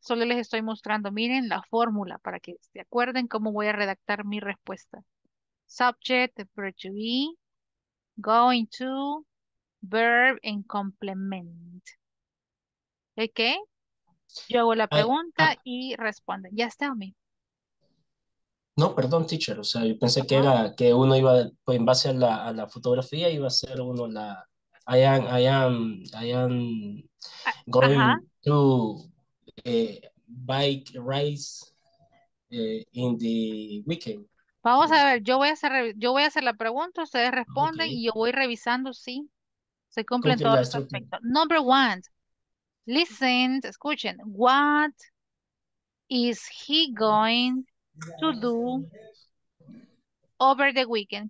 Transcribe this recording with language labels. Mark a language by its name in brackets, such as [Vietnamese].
[Spanish] Solo les estoy mostrando, miren, la fórmula para que se acuerden cómo voy a redactar mi respuesta. [English] Subject, verb to be, going to, verb, and complement. [Spanish] ¿Ok? Yo hago la pregunta y responde. [English] Yes, tell me. [Spanish] No, perdón, teacher. O sea, yo pensé que era que uno iba, pues, en base a la fotografía, iba a ser uno la. [English] I am going to bike race in the weekend. [Spanish] Vamos a ver. Yo voy a hacer la pregunta. Ustedes responden y yo voy revisando si se cumplen todos los aspectos. [English] Number one. Listen, [Spanish] escuchen. [English] What is he going to do over the weekend?